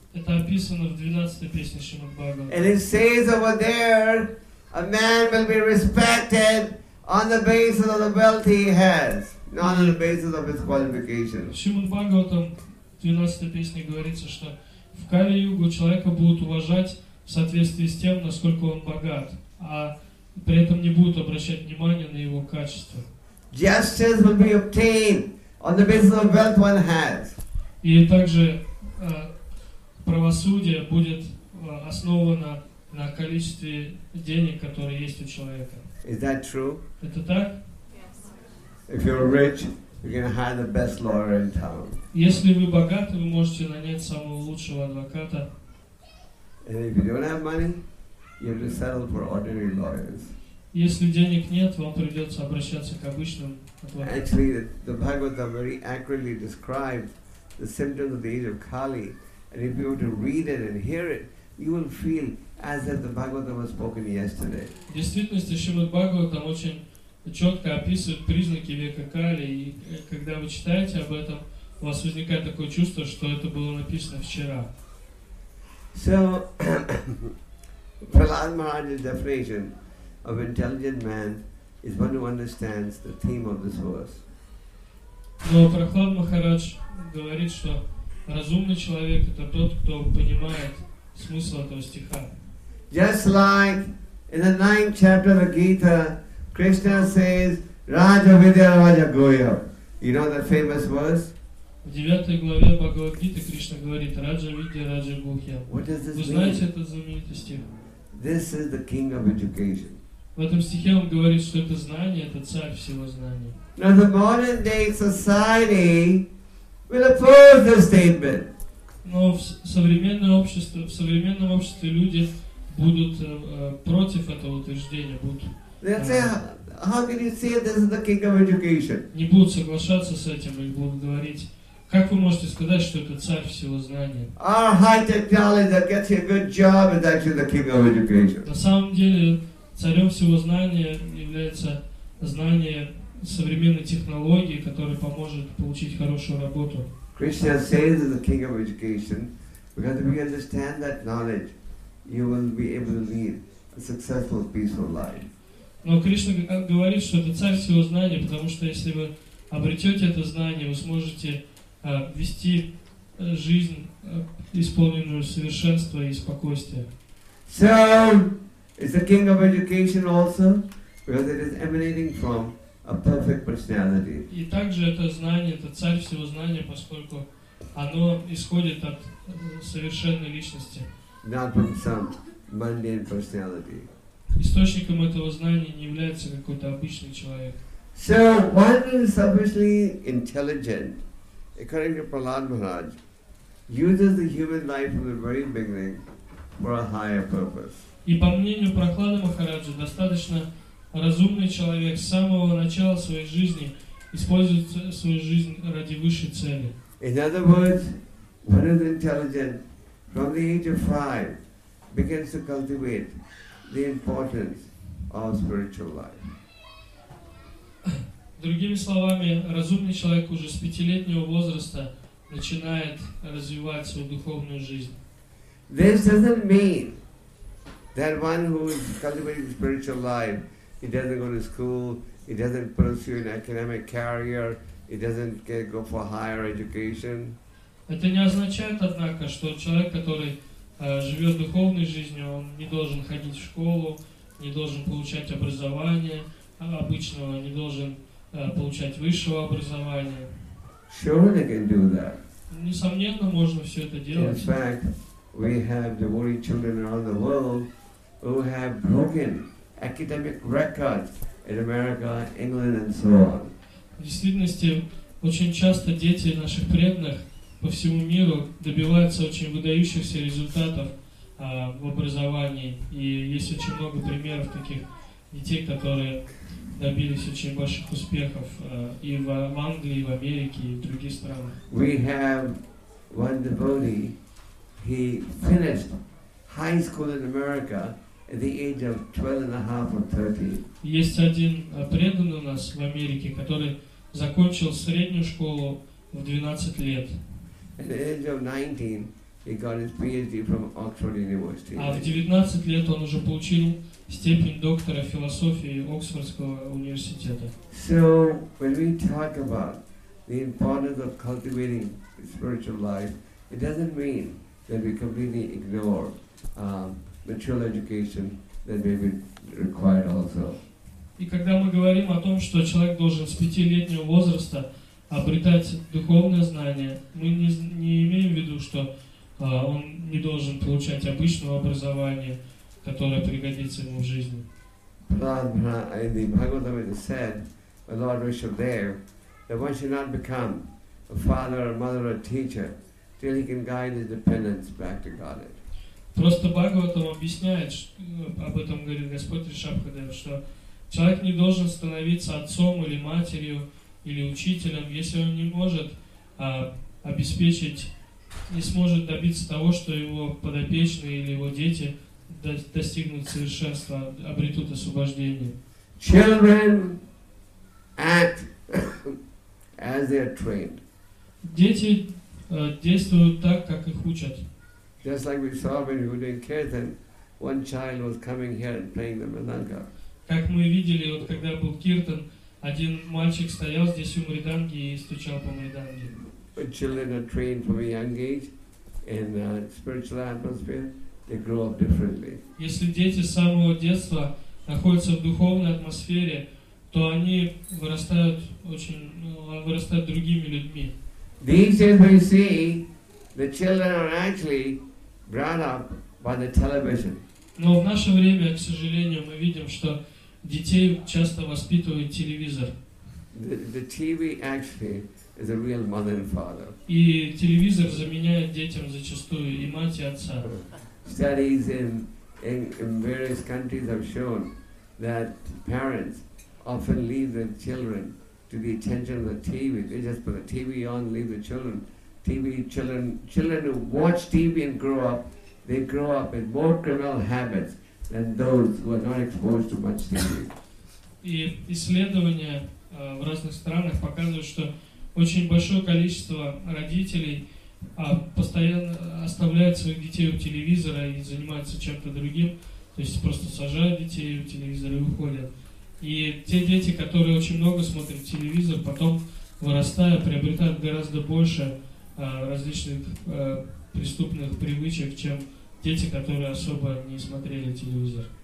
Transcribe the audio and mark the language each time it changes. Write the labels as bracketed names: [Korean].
[Russian] Это описано в 12-й песне Srimad Bhagavatam. [English] And it says over there, a man will be respected on the basis of the wealth he has, not on the basis of his qualification. [Russian] В Srimad Bhagavatam, в 12-й песне говорится, что в Кали-югу человека будут уважать в соответствии с тем, насколько он богат, а при этом не будут обращать внимания на его качества. [English] Justice will be obtained on the basis of wealth one has. [Russian] И также правосудие будет основано на количестве денег, которые есть у человека. [English] Is that true? [Russian] Это так? [English] Yes. If you're rich, you can hire the best lawyer in town. [Russian] Если вы богаты, вы можете нанять самого лучшего адвоката. [English] And if you don't have money, you have to settle for ordinary lawyers. [Russian] Если денег нет, вам придется обращаться к обычным адвокатам. [English] Actually, the Bhagavad very accurately describes the symptoms of the age of Kali, and if you were to read it and hear it, you will feel as if the Bhagavad was spoken yesterday. [Russian] В действительности, Шримад Бхагаватам очень четко описывает признаки века Кали, и когда вы читаете об этом, у вас возникает такое чувство, что это было написано вчера. [English] So, Prahlad Maharaj's definition of intelligent man is one who understands the theme of this verse. [Russian] Но Прохлад Махарадж говорит, что разумный человек — это тот, кто понимает смысл этого стиха. [English] Just like in the ninth chapter of the Gita, Krishna says, "Raja Vidya Raja Goya." You know that famous verse? [Russian] В девятой главе Бхагавад Гиты Кришна говорит: "Раджа Видья Раджа Гухья." [English] What does this mean? [Russian] Вы знаете этот знаменитый стих? [English] This is the king of education. [Russian] В этом стихе он говорит, что это знание — это царь всего знания. [English] Now the modern day society will oppose this statement. [Russian] Но в современное общество, в современном обществе люди будут против этого утверждения, будут. [English] How can you say this is the king of education? [Russian] Не будут соглашаться с этим и будут говорить: как вы можете сказать, что это царь всего знания? [English] Our high technology that gets you a good job is actually the king of education. [Russian] На самом деле, царем всего знания является знание современной технологии, которая поможет получить хорошую работу. [English] Krishna says it's the king of education, because if you understand that knowledge, you will be able to lead a successful, peaceful life. [Russian] Но Кришна говорит, что это царь всего знания, потому что если вы обретете это знание, вы сможете вести жизнь, исполненную совершенства и спокойствия. [English] So, it's the king of education also, because it is emanating from a perfect personality. [Russian] И также это знание, это царь всего знания, поскольку оно исходит от совершенной личности. [English] Not from some mundane personality. [Russian] Источником этого знания не является какой-то обычный человек. [English] So, one who is sufficiently intelligent, according to Prahlad Maharaj, uses the human life from the very beginning for a higher purpose. [Russian] И по мнению Прохлада Махараджа, достаточно разумный человек с самого начала своей жизни использует свою жизнь ради высшей цели. [English] In other words, one who is intelligent from the age of 5 begins to cultivate the importance of spiritual life. [Russian] Другими словами, разумный человек уже с пятилетнего возраста начинает развивать свою духовную жизнь. [English] This doesn't mean that one who is cultivating spiritual life, he doesn't go to school, he doesn't pursue an academic career, he doesn't go for higher education. [Russian] Это не означает, однако, что человек, который живет духовной жизнью, он не должен ходить в школу, не должен получать образование обычного, не должен получать высшего образования. [English] Sure, they can do that. [Russian] Несомненно, можно все это делать. [English] In fact, we have devoted children around the world who have broken academic records in America, England, and so on. [Russian] В действительности, очень часто дети наших преданных по всему миру добиваются очень выдающихся результатов в образовании. И есть очень много примеров таких детей, которые добились очень больших успехов и в Англии, и в Америке, и в других странах. [English] We have one devotee, he finished high school in America at the age of 12 and a half or 13. [Russian] Есть один преданный у нас в Америке, который закончил среднюю школу в 12 лет. [English] At the age of 19, he got his PhD from Oxford University. [Russian] А в 19 лет он уже получил степень доктора философии Оксфордского университета. [English] So, when we talk about the importance of cultivating spiritual life, it doesn't mean that we completely ignore material education that may be required also. [Russian] И когда мы говорим о том, что человек должен с пятилетнего возраста обретать духовное знание, мы не имеем в виду, что он не должен получать обычного образования, которое пригодится ему в жизни. [English] In the Bhagavatam it is said by Lord Rishabdev that one should not become a father, a mother, a teacher till he can guide his dependents back to Godhead. [Russian] Просто Бхагаватам объясняет, об этом говорит Господь Ришабхадев, что человек не должен становиться отцом или матерью или учителем, если он не может обеспечить, не сможет добиться того, что его подопечные или его дети достигнут совершенства, обретут освобождение. [English] Children act as they are trained. [Russian] Дети действуют так, как их учат. [English] Just like we saw when we were doing kirtan, one child was coming here and playing the mridanga. [Russian] Как мы видели, вот когда был киртан, один мальчик стоял здесь у мриданги и стучал по мриданге. [English] When children are trained from a young age in a spiritual atmosphere, they grow up differently. [Russian] Если дети с самого детства находятся в духовной атмосфере, то они вырастают вырастают другими людьми. [English] These days we see the children are actually brought up by the television. [Russian] Но в наше время, к сожалению, мы видим, что детей часто воспитывает телевизор. [English] The TV actually is a real mother and father. [Russian] И телевизор заменяет детям зачастую и мать, и отца. [English] Studies in various countries have shown that parents often leave their children to the attention of the TV. They just put the TV on, leave the children. Children who watch TV and grow up, they grow up with more criminal habits than those who are not exposed to much TV. [Russian] И исследования в разных странах показывают, что очень большое количество родителей постоянно оставляют своих детей у телевизора и занимаются чем-то другим, то есть просто сажают детей у телевизора и уходят. И те дети, которые очень много смотрят телевизор, потом вырастая, приобретают гораздо больше различных преступных привычек, чем дети, которые особо не смотрели телевизор.